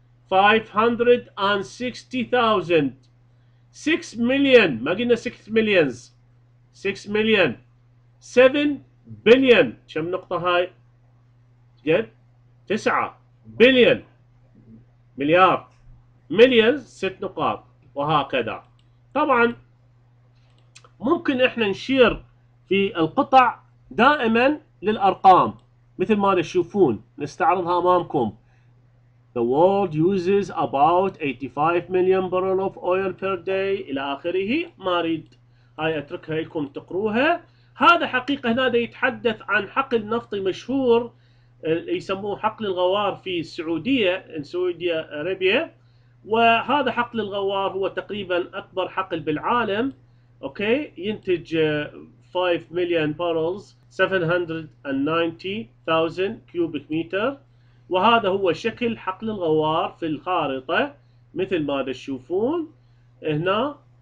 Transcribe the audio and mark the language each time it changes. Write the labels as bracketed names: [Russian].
[Arabic] 4,444 500,000 560,000 6 million ما قلنا 6 millions 6 million 7 billion كم نقطة هاي؟ جد 9 billion مليار millions 6 نقاط وهكذا. طبعا ممكن احنا نشير في القطع دائما للأرقام مثل ما تشوفون نستعرضها أمامكم. [English] The world uses about 85 million barrels of oil per day إلى آخره، [Arabic] ما أريد هاي أتركها لكم تقروها. هذا حقيقة هنا يتحدث عن حقل نفطي مشهور يسموه حقل الغوار في السعودية، سعودية أرابيا، وهذا حقل الغوار هو تقريبا أكبر حقل بالعالم. أوكي ينتج 5 million barrels 790,000 cubic meter، وهذا هو شكل حقل الغوار في الخارطة مثل ما تشوفون هنا.